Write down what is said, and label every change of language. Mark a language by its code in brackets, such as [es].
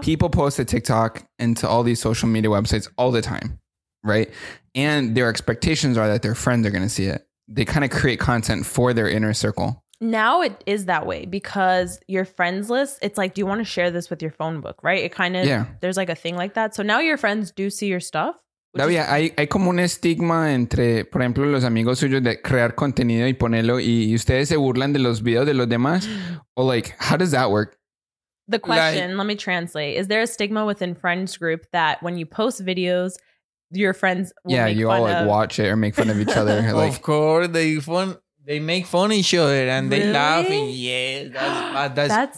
[en] people post to TikTok and to all these social media websites all the time, right? And their expectations are that their friends are going to see it. They kind of create content for their inner circle. Now it is that way because your friends list, it's like, do you want to share this with your phone book, right? It kind of, yeah, there's like a thing like that. So now your friends do see your stuff. [es] David, hay como un estigma entre, por ejemplo, los amigos suyos de crear contenido y ponerlo y ustedes se burlan de los videos de los demás. [en] Or like, how does that work? The question, let me translate. Is there a stigma within friends group that when you post videos, your friends will Yeah, make you fun all of- like watch it or make fun of each other. Like, of course, they make fun of each other and really? They laugh. And yeah, that's